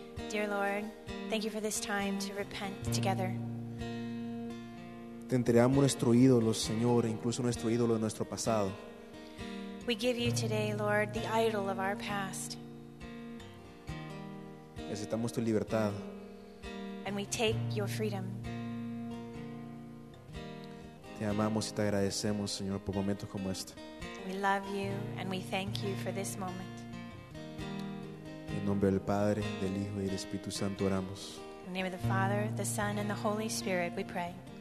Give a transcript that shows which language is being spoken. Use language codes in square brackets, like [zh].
[en] Dear Lord, thank you for this time to repent together. [es] Te entregamos nuestro ídolo, Señor, incluso nuestro ídolo de nuestro pasado. [en] We give you today, Lord, the idol of our past. [es] Necesitamos tu libertad. [en] And we take your freedom. [es] Te amamos y te agradecemos, Señor, por momentos como este. [en] We love you and we thank you for this moment. [es] En nombre del Padre, del Hijo y del Espíritu Santo oramos. [en] In the name of the Father, the Son, and the Holy Spirit, we pray.